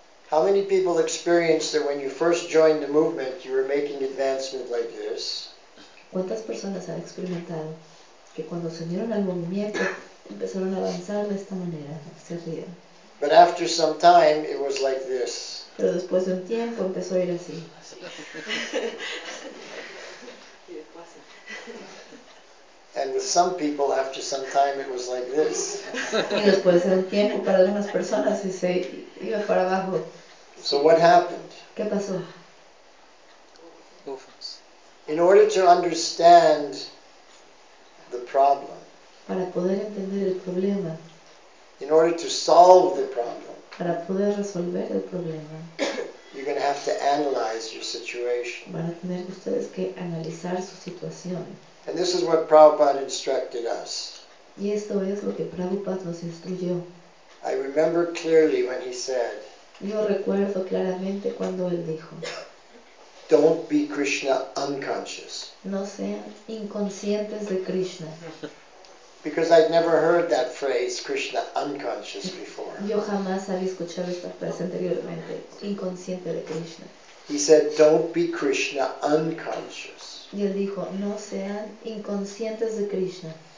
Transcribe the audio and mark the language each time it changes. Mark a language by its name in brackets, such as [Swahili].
[English] How many people experienced that when you first joined the movement, you were making advancement like this? [Spanish] ¿Cuántas personas han experimentado que cuando se unieron al movimiento empezaron a avanzar de esta manera, se rieron? [English] But after some time, it was like this. [Spanish] Pero después de un tiempo empezó a ir así. [English] And with some people, after some time, it was like this. [Spanish] Y después de un tiempo para algunas personas se iba para abajo. [English] So what happened? [Spanish] ¿Qué pasó? [English] In order to understand the problem, [Spanish] para poder entender el problema, [English] in order to solve the problem, [Spanish] para poder resolver el problema, [English] you're going to have to analyze your situation. [Spanish] Van a tener ustedes que analizar su situación. [English] And this is what Prabhupada instructed us. [Spanish] Y esto es lo que Prabhupada nos instruyó. [English] I remember clearly when he said, [Spanish] yo recuerdo claramente cuando él dijo, [English] don't be Krishna unconscious. [Spanish] No sean inconscientes de Krishna. [English] Because I'd never heard that phrase, Krishna unconscious, before. [Spanish] Yo jamás había escuchado esta frase anteriormente, inconsciente de Krishna. [English] He said, don't be Krishna unconscious. [Spanish] Y él dijo, no sean inconscientes de Krishna.